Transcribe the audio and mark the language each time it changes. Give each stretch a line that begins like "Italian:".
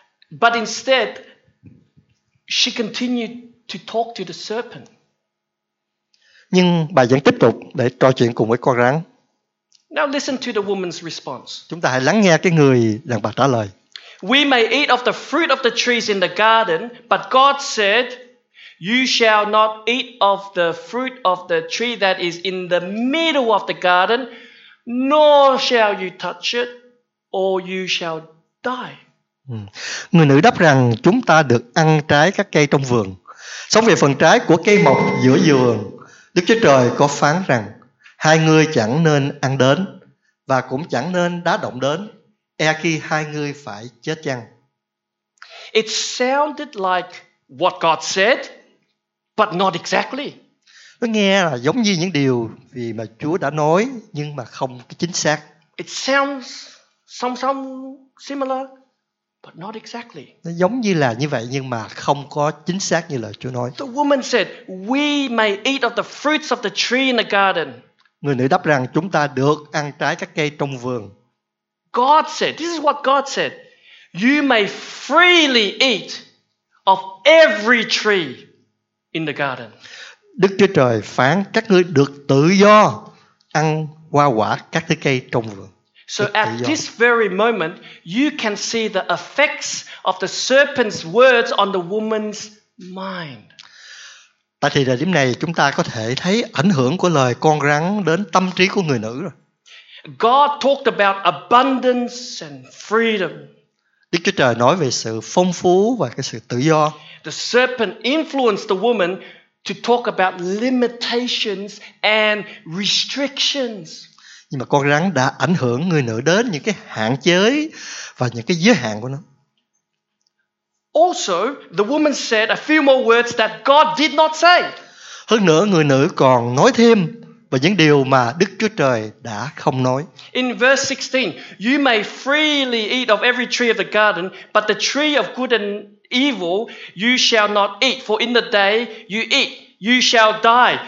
English: But instead she continued to talk to the serpent.
Vietnamese: Nhưng bà vẫn tiếp tục để trò chuyện cùng với con rắn.
English: Now listen to the woman's response.
Vietnamese: Chúng ta hãy lắng nghe cái người đàn bà trả lời.
English: We may eat of the fruit of the trees in the garden, but God said, you shall not eat of the fruit of the tree that is in the middle of the garden, nor shall you touch it, or you shall die.
Vietnamese: Người nữ đáp rằng chúng ta được ăn trái các cây trong vườn, sống về phần trái của cây mọc giữa vườn. Đức Chúa Trời có phán rằng hai ngươi chẳng nên ăn đến và cũng chẳng nên đá động đến, e khi hai ngươi phải chết chăng.
English: It sounded like what God said, but not exactly.
Vietnamese: Nó nghe là giống như những điều vì mà Chúa đã nói nhưng mà không chính xác.
English: It sounds some similar. But not exactly.
Vietnamese: Nó giống như là như vậy nhưng mà không có chính xác như lời Chúa nói.
English: The woman said, "We may eat of the fruits of the tree in the garden."
Vietnamese: Người nữ đáp rằng chúng ta được ăn trái các cây trong vườn.
English: God said, "This is what God said. You may freely eat of every tree in the garden."
Vietnamese: Đức Chúa Trời phán các ngươi được tự do ăn hoa quả các thứ cây trong vườn.
English: So at this very moment, you can see the effects of the serpent's words on the woman's mind.
Vietnamese: Tại thời điểm này, chúng ta có thể thấy ảnh hưởng của lời con rắn đến tâm trí của người nữ rồi.
English: God talked about abundance and freedom.
Vietnamese: Đức Chúa Trời nói về sự phong phú và cái sự tự do.
English: The serpent influenced the woman to talk about limitations and restrictions.
Vietnamese: Nhưng mà con rắn đã ảnh hưởng người nữ đến những cái hạn chế và những cái giới hạn của nó.
English: Also, the woman said a few more words that God did not say.
Vietnamese: Hơn nữa, người nữ còn nói thêm về những điều mà Đức Chúa Trời đã không nói.
English: In verse 16, you may freely eat of every tree of the garden, but the tree of good and evil you shall not eat, for in the day you eat, you shall die.